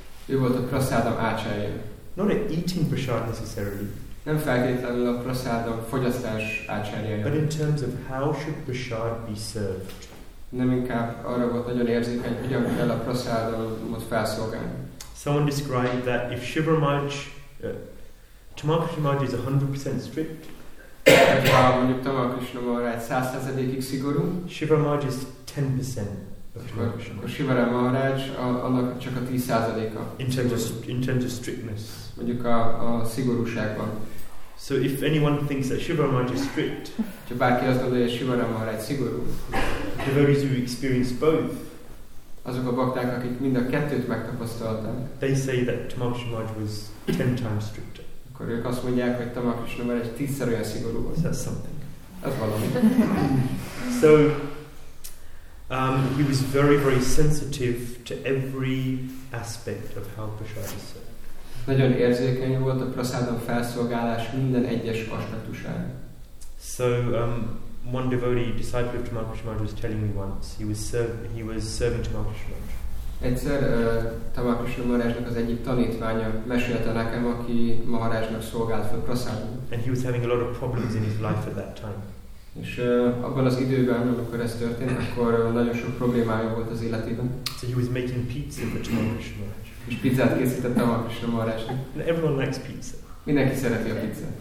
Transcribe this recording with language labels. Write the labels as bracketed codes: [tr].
[hu] Ő volt a prasadam acharya. [en] Not an eating prasad necessarily. [hu] Nem feltétlenül a prasadam fogyasztás acharya. [en] But in terms of how should prasad be served. [hu] Nem inkább arra volt nagyon érzékeny, hogyan kell a prasadamot felszolgálni. [en] Someone described that if Tamakrishna Maharaj is 100% strict. [hu] Mondjuk Tamakrishna Maharaj 100%-ig szigorú. [en] Shiva Maharaj is 10%. [hu] A Shivara Maharaj, annak csak a 10%-a. [en] In terms of strictness. [hu] Mondjuk a szigorúságban. [en] So if anyone thinks that Shivara Maharaj is strict, [hu] ha bárki azt gondolja, hogy Shivara Maharaj szigorú, [en] devotees who experience both, [hu] azok a bakták, akik mind a kettőt megtapasztalták, [en] they say that Tamakrishna Maharaj was 10 times stricter. [hu] Akkor ők azt mondják, hogy Tamakrishna Maharaj 10-szer olyan szigorú volt. [en] That's something. [hu] Ez valami. [en] So, he was very, very sensitive to every aspect of how prasad is served. [hu] Nagyon érzékeny volt a prasadam felszolgálás minden egyes aspektusára. [en] So one devotee, disciple of Tamakrishna Maharaj, was telling me once he was serving Tamakrishna Maharaj. [hu] Egyszer Tamakrishna Maharajnak az egyik tanítványa mesélte nekem, aki Maharajnak szolgált fel prasadam. [en] And he was having a lot of problems in his life at that time. [hu] És abban az időben, amikor ez történt, akkor nagyon sok problémája volt az életében. [en] So he was making pizza for Tamakrishna Maharaj. [hu] És pizzát készített Tamakrishna Maharajnak. [en] And everyone likes pizza. [hu] Mindenki szereti a pizzát.